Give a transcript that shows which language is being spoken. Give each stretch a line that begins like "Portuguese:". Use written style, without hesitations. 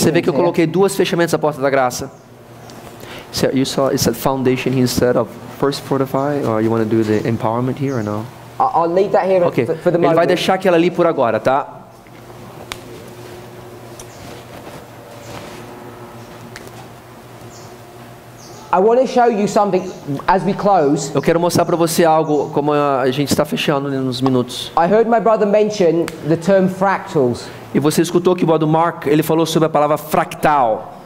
Portuguese: Você vê que eu coloquei duas fechamentos à porta da graça.
English: So you saw it's a foundation instead of first fortify, or you want to do the empowerment here or no? I'll leave that here. Okay. For the moment.
Portuguese: Ele vai deixar aquela ali por agora, tá?
English: I want to show you something as we close.
Portuguese: Eu quero mostrar para você algo como a gente está fechando nos minutos.
English: I heard my brother mention the term fractals.
Portuguese: E você escutou que o brother Mark ele falou sobre a palavra fractal.